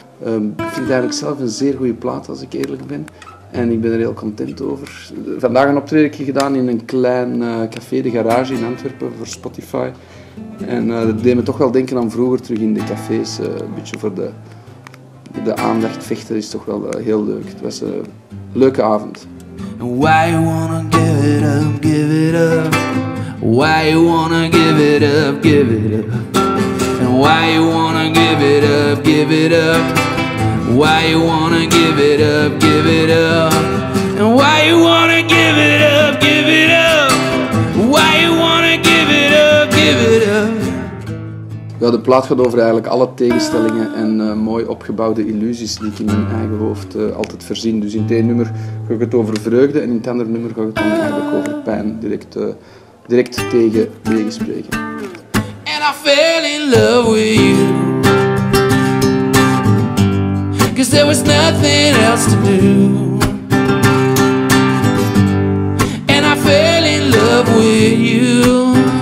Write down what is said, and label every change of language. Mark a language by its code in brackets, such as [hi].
[nl] Ik vind het eigenlijk zelf een zeer goede plaat, als ik eerlijk ben. En ik ben er heel content over. Vandaag een optredenje gedaan in een klein café, de garage in Antwerpen, voor Spotify. En dat deed me toch wel denken aan vroeger terug in de cafés. Een beetje voor de aandacht vechten is toch wel heel leuk. Het was een leuke avond. [en] Why you wanna give it up, give it up? Why you wanna give it up, give it up? And why you wanna give it up, give it up? Why you wanna give it up, give it up? And why you wanna give it up, give it up? Why you wanna give it up, give it up? [nl] Ja, de plaat gaat over eigenlijk alle tegenstellingen en mooi opgebouwde illusies die ik in mijn eigen hoofd altijd verzin. Dus in het ene nummer ga ik het over vreugde en in het andere nummer ga ik het dan eigenlijk over pijn direct. Direct tegen meegespreken. [en] And I fell in love with you. Cause there was nothing else to do. And I fell in love with you.